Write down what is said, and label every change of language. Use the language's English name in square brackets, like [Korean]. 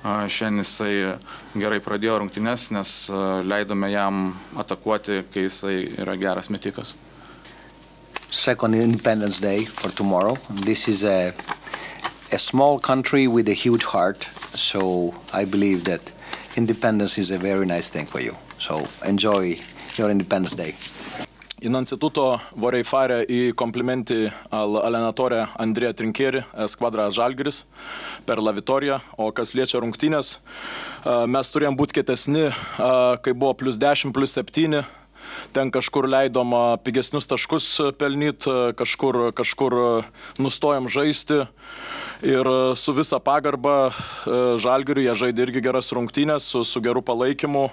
[Lithuanian] Šiandien jisai gerai pradėjo rungtynes, nes leidome jam atakuoti, kai jisai yra geras metikas. [English] Second Independence Day for tomorrow. This is a small country with a huge heart, so I believe that independence is a very nice thing for you. So enjoy your Independence Day. [Italian] In instituto vorrei fare i complimenti al allenatore Andrea Trinchieri, squadra Žalgiris, per la vittoria. [Lithuanian] O kas liečia rungtynės, mes turėjom būti kietesni, kai buvo plus 10, plus 7. Ten kažkur leidom pigesnius taškus pelnyt, kažkur nustojom žaisti. Ir su visa pagarba Žalgiriui, jie žaidė irgi geras rungtynės, su geru palaikymu.